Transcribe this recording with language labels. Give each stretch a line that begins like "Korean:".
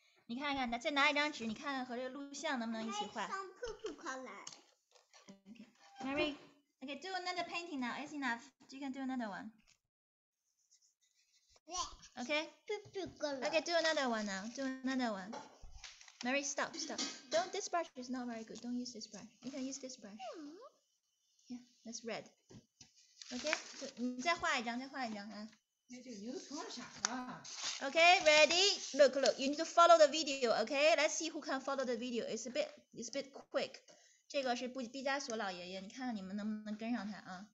Chinese: 你看看，再拿一张纸，你看看和这个录像能不能一起画。
English: I have some purple color. Okay. Mary, okay, do another painting now, it's enough. You can do another one. Okay. Okay, do another one now. Do another one. Mary, stop. Don't, this brush is not very good. Don't use this brush. You can use this brush. Yeah, that's red.
Chinese: Okay, 你再画一张啊。
English: Okay, ready? Look, you need to follow the video, okay? Let's see who can follow the video. It's a bit quick.
Chinese: 这个是毕加索老爷爷，你看看你们能不能跟上他啊。